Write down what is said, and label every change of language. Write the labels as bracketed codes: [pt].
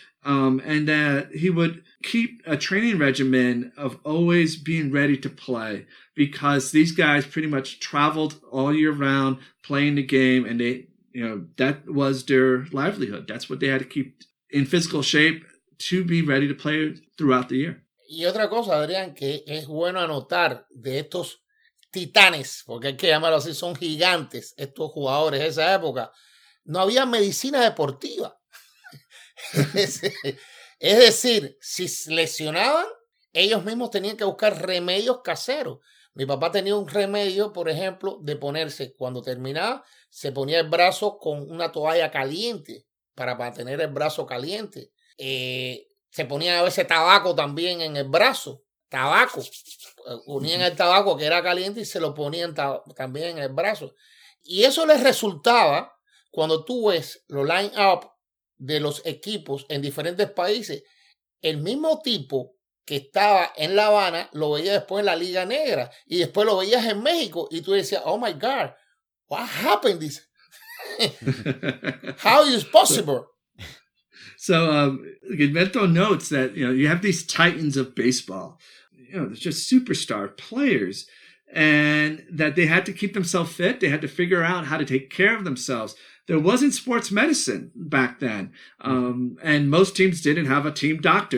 [en] He would keep a training regimen of always being ready to play because these guys pretty much traveled all year round playing the game. And they, that was their livelihood. That's what they had to keep in physical shape to be ready to play throughout the year. [es] Y otra cosa, Adrián, que es bueno anotar de estos titanes, porque hay que llamarlo así, son gigantes estos jugadores de esa época. No había medicina deportiva. Es decir, si lesionaban, ellos mismos tenían que buscar remedios caseros. Mi papá tenía un remedio, por ejemplo, de ponerse, cuando terminaba, se ponía el brazo con una toalla caliente para mantener el brazo caliente. Se ponían a veces tabaco también en el brazo, tabaco, unían el tabaco que era caliente y se lo ponían también en el brazo, y eso les resultaba, cuando tú ves los line up de los equipos en diferentes países, el mismo tipo que estaba en La Habana, lo veía después en la Liga Negra, y después lo veías en México, y tú decías, [en] oh my God, what happened, [es] dice, [en] how is possible. So Gilberto notes that, you have these titans of baseball, they're just superstar players, and that they had to keep themselves fit. They had to figure out how to take care of themselves. There wasn't sports medicine back then, and most teams didn't have a team doctor.